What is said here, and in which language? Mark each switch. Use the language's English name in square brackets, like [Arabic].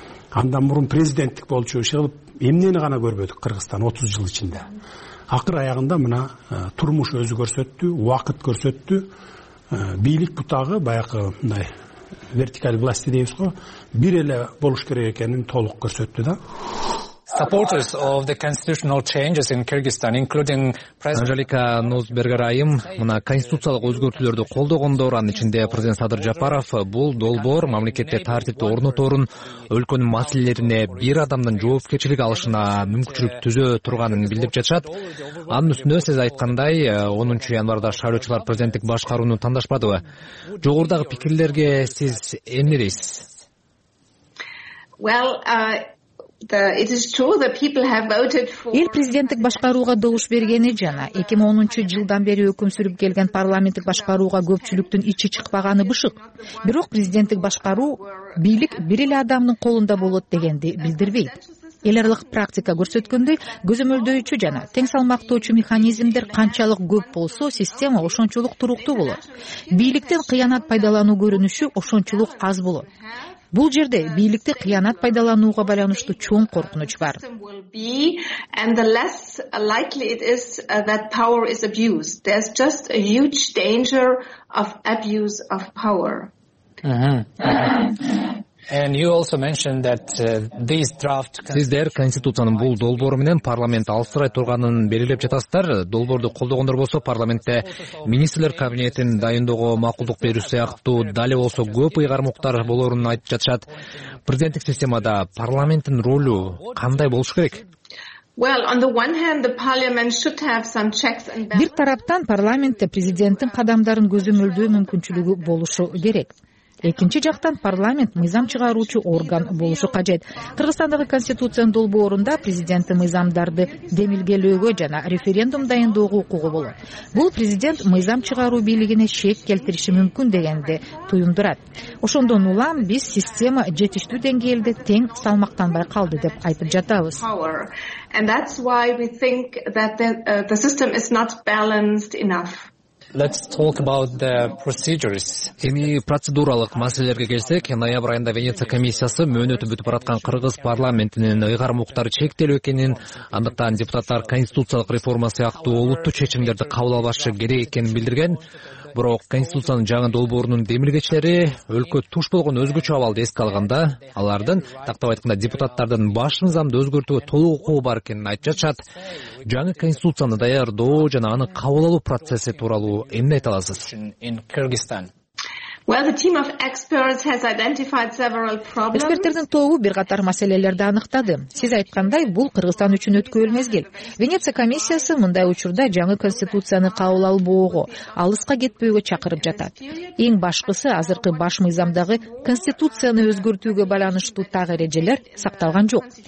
[Kyrgyz] Андан мурун президенттик болчу иш кылып эмнени гана көрбөдүк Кыргызстан 30 жыл ичинде. Акыр аягында мына турмуш өзү көрсөттү, убакыт көрсөттү. Бийлик бутагы баягы мындай [Russian] вертикаль власти [Kyrgyz] дейбиз го, бир эле болуш керек экенин толук көрсөттү да. [English] Supporters of the constitutional changes in Kyrgyzstan, including President [Kyrgyz] Anjelika Nusbergarayim, мына конституциялык өзгөртүүлөрдү колдогондордун ичинде президент Садыр Жапаров бул долбоор мамлекетте тартипти орнотоорун, өлкөнүн маселелерине бир адамдын жоопкерчилик алышына мүмкүнчүлүк түзө турганын билдирип жатышат. Анын үстүнө сиз айткандай 10 январда шайлоочулар президенттик башкарууну тандашпадыбы? Жогорудагы пикирлерге сиз эмне дейсиз? Эл президенттик башкарууга добуш бергени жана 2010 жылдан бери өкүм сүрүп келген парламенттик башкарууга көпчүлүктүн ичи чыкпаганы бышык. Бирок президенттик башкаруу бийлик бир эле адамдын колунда болот дегенди билдирбейт. Эл аралык практика көрсөткөндөй, көзөмөлдөөчү жана тең салмактоочу механизмдер канчалык көп болсо, система ошончолук туруктуу болот. Бийликтен кыянат пайдалануу көрүнүшү ошончолук аз болот. Бул жерде бийликти кыянат пайдаланууга байланыштуу чоң коркунуч бар. [English] And the less likely it is that power is abused. There's just a huge danger of abuse of power. And you also mentioned that this draft [Kyrgyz] сиздер конституциянын бул долбоору менен парламент алыстырай турганын белгилеп жатасыздар. Долбоорду колдогондор болсо парламентте министрлер кабинетин дайындоого макулдук берүү сыяктуу дале болсо көп ыйгармуктар болорун айтып жатышат. Президенттик системада парламенттин ролу кандай болуш керек? [English] Well, on the one hand, the parliament should have some checks and balances. [Kyrgyz] Бир тараптан парламентте президенттин кадамдарын көзөмөлдөө мүмкүнчүлүгү болушу керек. Экинчи жактан парламент мыйзам чыгаруучу орган болушу кажет. Кыргызстандагы конституциянын долбоорунда президенттин мыйзамдарды демилгелөөгө жана референдум дайындоого укугу болот. Бул президент мыйзам чыгаруу бийлигине шек келтириши мүмкүн дегенди туюндурат. Ошондон улам биз система жетиштүү деңгээлде тең салмактанбай калды деп айтып жатабыз. [English] And that's why we think that the system is not balanced enough. Let's talk about the procedures. [Kyrgyz] Эми процедуралык маселелерге келсек, ноябрь айында Венеция комиссиясы мөөнөтү бүтүп бараткан Кыргыз парламентинин ыйгарым укуктары чектелүү экенин, андыктан депутаттар конституциялык реформа сыяктуу олуттуу чечимдерди кабыл албашы керек экенин билдирген. Бирок конституциянын жаңы долбоорунун демилгечилери өлкө туш болгон өзгөчө абалды эске алганда, алардын тактап айтканда депутаттардын баш мыйзамды өзгөртүүгө толук укугу бар экенин айтып жатышат. Жаңы конституцияны даярдоо жана аны кабыл алуу процесси тууралуу эмне айта аласыз? [English] Well, the team of experts has identified several problems. [Kyrgyz] Эксперттердин тобу бир катар маселелерди аныктады. Сиз айткандай, бул Кыргызстан үчүн өткөн мезгил. Венеция комиссиясы мындай учурда жаңы конституцияны кабыл албоого, алыска кетпөөгө чакырып жатат. Эң башкысы, азыркы баш мыйзамдагы конституцияны өзгөртүүгө байланыштуу так эрежелер сакталган жок.